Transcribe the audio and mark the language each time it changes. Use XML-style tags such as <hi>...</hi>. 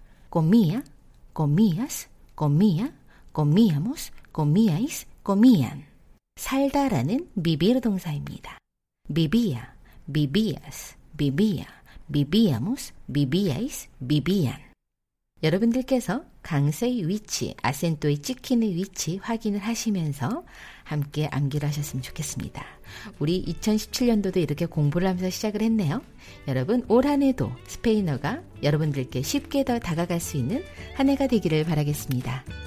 <es>comía, comías, comía, comíamos, comíais, comían.</es> <ko>살다라는 vivir 동사입니다.</ko> <es>vivía, vivías, vivía, vivíamos, vivíais, vivían.</es> <ko>여러분들께서 강세의 위치, 아센토의 찍히는 위치 확인을 하시면서 함께 암기를 하셨으면 좋겠습니다. 우리 2017년도도 이렇게 공부를 하면서 시작을 했네요. 여러분, 올 한 해도 스페인어가 여러분들께 쉽게 더 다가갈 수 있는 한 해가 되기를 바라겠습니다.</ko>